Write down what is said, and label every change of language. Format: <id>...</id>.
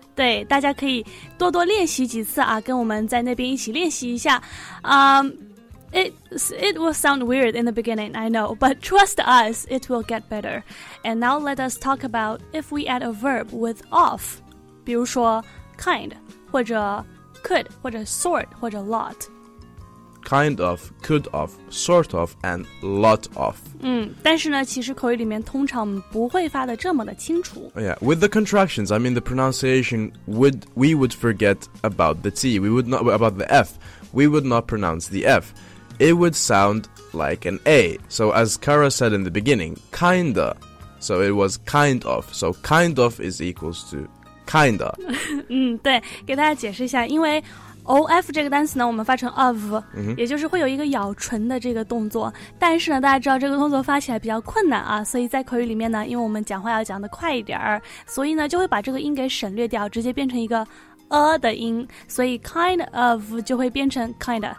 <zh>对，大家可以多多练习几次啊，跟我们在那边一起练习一下。</zh> <en>It will sound weird in the beginning, I know, but trust us, it will get better. And now let us talk about if we add a verb with of,</en> <zh>比如说</zh> <en>kind, 或者 could, 或者 sort, 或者 lot. Kind of, could of, sort of, and lot of.</en> <zh>但是呢其实口语里面通常不会发得这么的清楚。</zh> <en>Yeah, with the contractions, I mean the pronunciation, we would forget about the T, we would not, about the F. We would not pronounce the F. It would sound like an A. So as Kara said in the beginning, kinda. So it was kind of. So kind of is equals to kinda.</en> <zh>对，给大家解释一下，因为OF 这个单词呢我们发成 of、</zh> <en>mm-hmm.</en> <zh>也就是会有一个咬唇的这个动作但是呢大家知道这个动作发起来比较困难啊所以在口语里面呢因为我们讲话要讲得快一点所以呢就会把这个音给省略掉直接变成一个 的音所以 kind of 就会变成 kinda、</zh>